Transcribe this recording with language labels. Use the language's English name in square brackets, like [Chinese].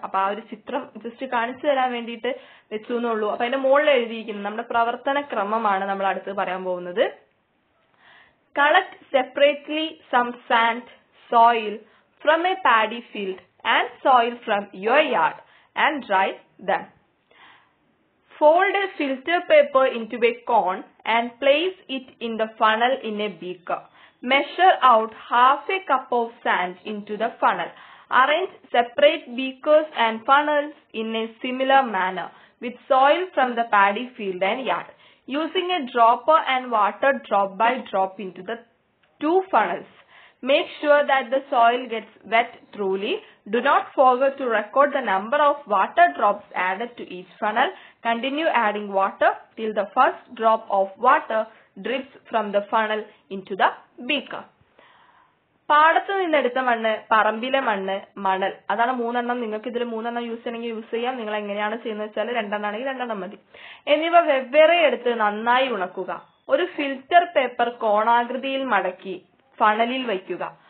[Malayalam] അപ്പൊ ആ ഒരു ചിത്രം ജസ്റ്റ് കാണിച്ചു തരാൻ വേണ്ടിയിട്ട് വെച്ചു എന്നുള്ളൂ. അപ്പൊ അതിന്റെ മുകളിൽ എഴുതിയിരിക്കുന്നത് നമ്മുടെ പ്രവർത്തന ക്രമമാണ് നമ്മൾ അടുത്ത് പറയാൻ പോകുന്നത്. [English] Collect separately some sand soil from a paddy field and soil from your yard and dry them. Fold a filter paper into a cone and place it in the funnel in a beaker. Measure out half a cup of sand into the funnel. Arrange separate beakers and funnels in a similar manner with soil from the paddy field and yard. Using a dropper and water drop by drop into the two funnels. Make sure that the soil gets wet truly. Do not forget to record the number of water drops added to each funnel. Continue adding water till the first drop of water drips from the funnel into the beaker. [Malayalam] പാടത്ത് നിന്നെടുത്ത മണ്ണ് പറമ്പിലെ മണ്ണ് മണൽ അതാണ് മൂന്നെണ്ണം നിങ്ങൾക്ക് ഇതിൽ മൂന്നെണ്ണം യൂസ് ചെയ്യണമെങ്കിൽ യൂസ് ചെയ്യാം നിങ്ങൾ എങ്ങനെയാണ് ചെയ്യുന്നത് വെച്ചാൽ രണ്ടെണ്ണം ആണെങ്കിൽ രണ്ടെണ്ണം മതി എന്നിവ വെവ്വേറെ എടുത്ത് നന്നായി ഉണക്കുക ഒരു ഫിൽറ്റർ പേപ്പർ കോണാകൃതിയിൽ മടക്കി ഫണലിൽ വയ്ക്കുക